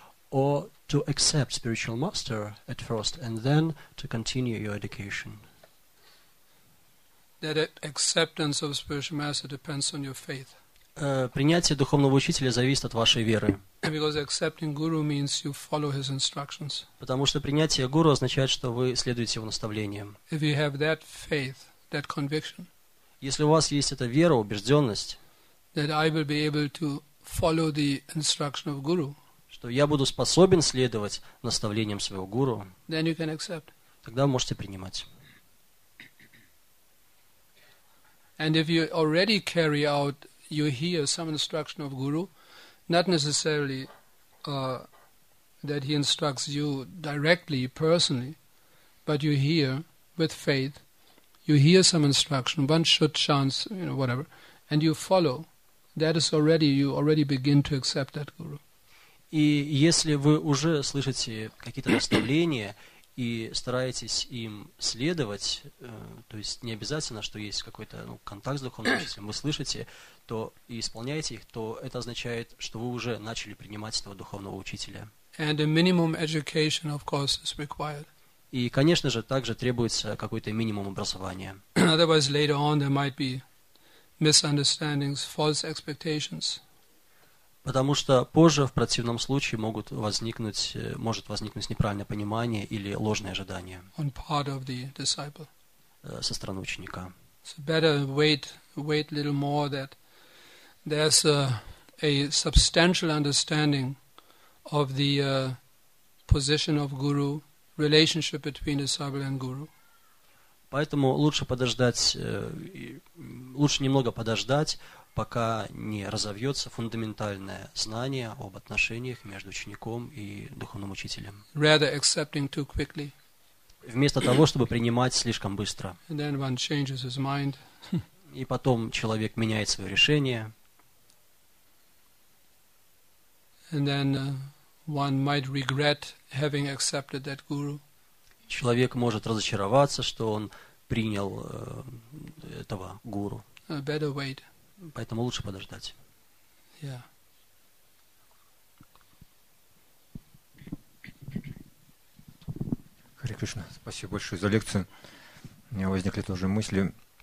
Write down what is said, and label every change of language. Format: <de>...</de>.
<en>Or to accept spiritual master at first and then to continue your education. That acceptance of spiritual master depends on your faith.</en> <ru>Принятие духовного учителя зависит от вашей веры.</ru> <en>Because accepting guru means you follow his instructions.</en> <ru>Потому что принятие гуру означает, что вы следуете его наставлениям.</ru> <en>If you have that faith, that conviction.</en> <ru>Если у вас есть эта вера, убежденность.</ru> <en>That I will be able to follow the instruction of guru.</en> <ru>Что я буду способен следовать наставлениям своего гуру,</ru> <en>then you can accept.</en> <ru>Тогда вы можете принимать.</ru> <en>And if you already carry out, you hear some instruction of guru, not necessarily that he instructs you directly, personally, but you hear with faith, you hear some instruction, one should chance, you know, whatever, and you follow, that is already, you already begin to accept that guru.</en> <ru>И если вы уже слышите какие-то наставления и стараетесь им следовать, то есть не обязательно, что есть какой-то контакт с духовным учителем, вы слышите то и исполняете их, то это означает, что вы уже начали принимать этого духовного учителя.</ru> <en>And a minimum education, of course, is required.</en> <ru>И, конечно же, также требуется какой-то минимум образования.</ru> <en>Otherwise, later on, there might be misunderstandings, false expectations.</en> <ru>Потому что позже, в противном случае, могут возникнуть, может возникнуть неправильное понимание или ложные ожидания</ru> <en>on part of the disciple.</en> <ru>Со стороны ученика.</ru> <en>So better wait a little more that there's a substantial understanding of the position of guru, relationship between disciple and guru.</en> <ru>Поэтому лучше подождать, лучше немного подождать, пока не разовьется фундаментальное знание об отношениях между учеником и духовным учителем.</ru> <en>Rather accepting too quickly.</en> <ru>Вместо того, чтобы принимать слишком быстро.</ru> <en>And then one changes his mind.</en> <ru>И потом человек меняет свое решение.</ru> <en>And then one might regret having accepted that guru.</en> <ru>Человек может разочароваться, что он принял этого гуру.</ru> <en>Better wait.</en> <ru>Поэтому лучше подождать.</ru> <en>Yeah.</en> <ru>Харе Кришна, спасибо большое за лекцию. У меня возникли тоже мысли.</ru>